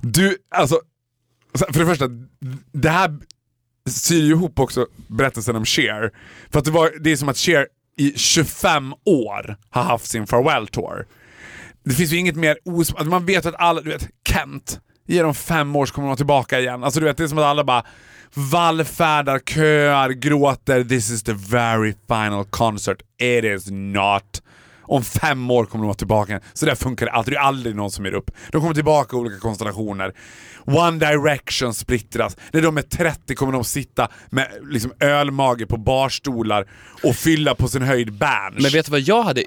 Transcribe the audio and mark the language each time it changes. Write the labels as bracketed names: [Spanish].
[Swedish] Du, alltså, för det första, det här syr ju ihop också berättelsen om Cher. För att det är som att Cher i 25 år har haft sin farewell tour. Det finns ju inget mer att man vet att alla, du vet, Kent, genom 5 år kommer man tillbaka igen. Alltså du vet, det är som att alla bara vallfärdar, köar, gråter. [English] This is the very final concert. It is not. [Swedish] Om 5 år kommer de tillbaka igen. Så det funkar alltid. Det är aldrig någon som ger upp. De kommer tillbaka i olika konstellationer. One Direction splittras. När de är 30 kommer de sitta med liksom ölmage på barstolar och fylla på sin höjd bench. Men vet du vad jag hade?